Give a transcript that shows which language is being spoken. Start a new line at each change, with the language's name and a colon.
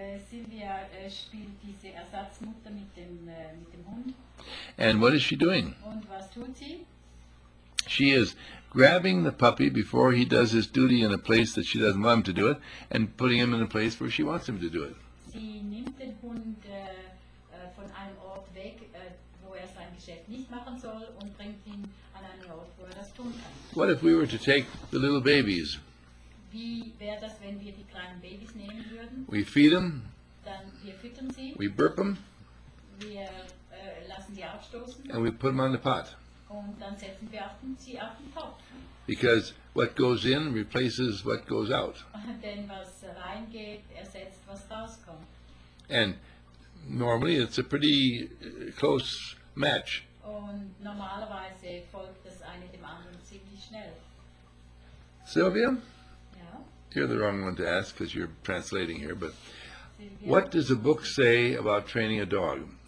German: Sylvia spielt diese Ersatzmutter mit dem Hund.
English: And what is she doing?
German: Und was tut sie?
English: She is grabbing the puppy before he does his duty in a place that she doesn't want him to do it, and putting him in a place where she wants him to do it.
German: Sie nimmt den Hund von einem Ort weg, wo sein Geschäft nicht machen soll, und bringt ihn an einen Ort, wo das tun kann.
English: What if we were to take the little babies?
German: Wie wäre das, wenn wir die kleinen Babys nehmen würden?
English: We feed them.
German: Dann wir füttern sie.
English: We burp them.
German: Wir lassen sie aufstoßen.
English: And we put them on the pot.
German: Und dann setzen wir sie auf den Topf.
English: Because what goes in replaces what goes out.
German: Denn was reingeht, ersetzt was rauskommt.
English: And normally it's a pretty close match.
German: Und normalerweise folgt das eine dem anderen ziemlich schnell.
English: Sylvia?
German: Ja?
English: You're the wrong one to ask because you're translating here, but Sylvia, what does a book say about training a dog?